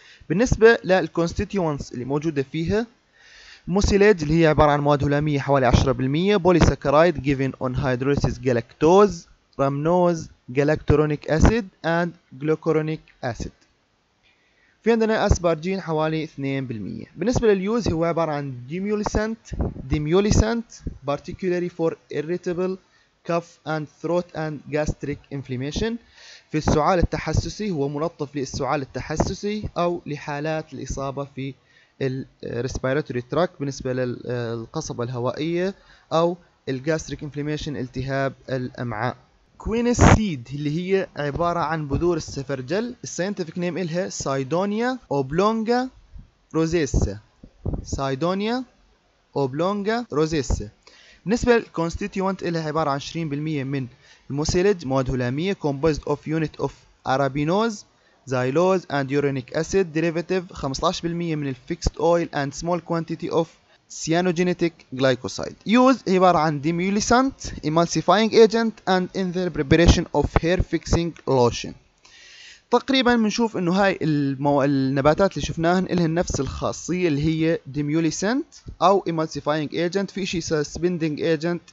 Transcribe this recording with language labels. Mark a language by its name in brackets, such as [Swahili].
[Arabic] بالنسبة للكونستيتيونس اللي موجودة فيها، موسيلاج اللي هي عبارة عن مواد هلامية حوالي 10%، [English] بوليساكرايد جيفن اون هيدروليسيس [Arabic] جالاكتوز، رامنوز، جالاكتورونيك أسيد، and جلوكورونيك أسيد. في عندنا أسبارجين حوالي 2%. بالنسبة لليوز هو عبارة عن [English] Demulcent particularly for irritable cough and throat and gastric inflammation. [Arabic] في السعال التحسسي هو ملطف للسعال التحسسي أو لحالات الإصابة في respiratory tract بالنسبة للقصبة الهوائية أو gastric inflammation التهاب الأمعاء. كوينس سيد اللي هي عبارة عن بذور السفرجل، الساينتفك نيم إلها سايدونيا أوبلونجا روزيسا، سايدونيا أوبلونجا روزيسا. [English] بالنسبة للكونستيتيوانت [Arabic] إلها عبارة عن 20% من الموسيلج، مواد هلامية، [English] Composed of unit of arabinose, xylose and uronic acid, derivative 15% من الفيكست oil and small quantity of cyanogenetic glycoside. Use [Arabic] عبارة عن [English] demulcent, emulsifying agent and in the preparation of hair fixing lotion. [Arabic] تقريبا بنشوف انه هاي النباتات اللي شفناهن الهن نفس الخاصية اللي هي demulcent او emulsifying agent، في شيء suspending agent.